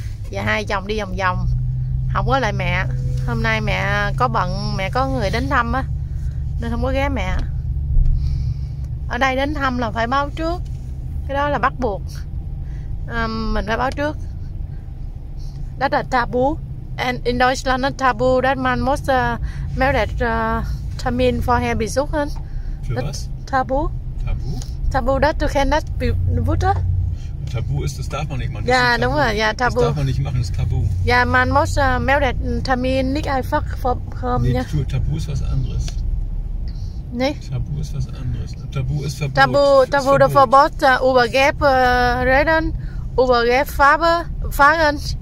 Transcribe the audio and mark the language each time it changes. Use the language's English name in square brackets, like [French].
[Vietnamese] Và hai chồng đi vòng vòng. Không có lại mẹ. Hôm nay mẹ có bận, mẹ có người đến thăm á. Nên không có ghé mẹ. Ở đây đến thăm là phải báo trước, cái đó là bắt buộc, mình phải báo trước. [English] That's a taboo, and in Deutschland it's taboo that man must married termin for her besuch. [German] Für was? [English] Taboo. Taboo? Taboo, that you cannot be with her. [German] Taboo ist, das darf man nicht machen. [English] Ja, yeah, [Vietnamese] đúng rồi, [English] ja, yeah, taboo. [German] Das darf man nicht machen, ist taboo. [English] Ja, yeah, man must married termin, [German] nicht einfach [English] for [German] home. Nee, yeah. Taboo ist was anderes. Nee. Tabu ist was anderes. Tabu ist Verbot. Tabu, Tabu ist Verbot. Verbot über Gelb reden, über Gelb Farbe fahren.